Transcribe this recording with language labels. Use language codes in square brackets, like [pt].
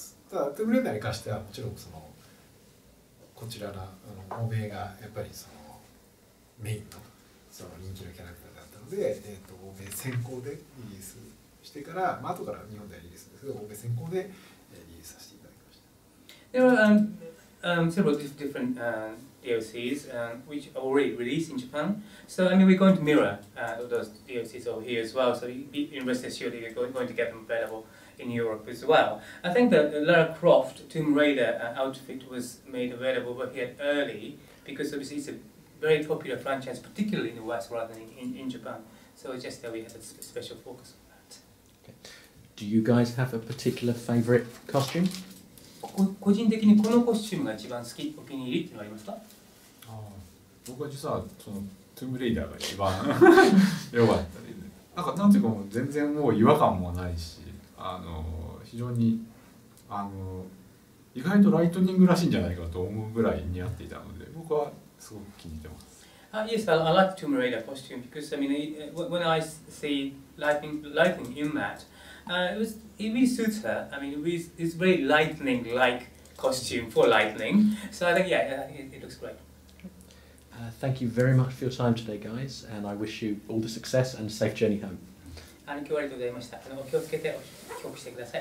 [ja] ただトゥームレーダーに関してはもちろんそのこちらの欧米がやっぱりそのメインの、 その人気のキャラクターだったので、欧米先行でリリースしてから、まあ、後から日本ではリリースですけど欧米先行でリリースさせていただきました。 [en] There are several different DLCs which are already released in Japan. So I mean we're going to mirror those DLCs over here as well. So you rest assured you're going to get them available. In Europe as well. I think that Lara Croft Tomb Raider outfit was made available over here early because obviously it's a very popular franchise, particularly in the West rather than in Japan. So it's just that we have a special focus on that. Okay. Do you guys have a particular favorite costume? [ja] 個人的にこのコスチュームが一番好き、お気に入りってのありますか？僕は実はその Tomb Raider が一番良かったり、なんかなんていうかもう全然もう違和感もないし。非常に意外とライトニングらしいんじゃないかと思うぐらい似合っていたので僕はすごく気に入ってます。 [en] Yes, I like Tomb Raider costume because I mean when I see lightning in that it really suits her. I mean it's very lightning like costume for lightning, so I think it looks great. Thank you very much for your time today guys and I wish you all the success and safe journey home. [ja] 今日はありがとうございました。お気をつけてお帰国してください。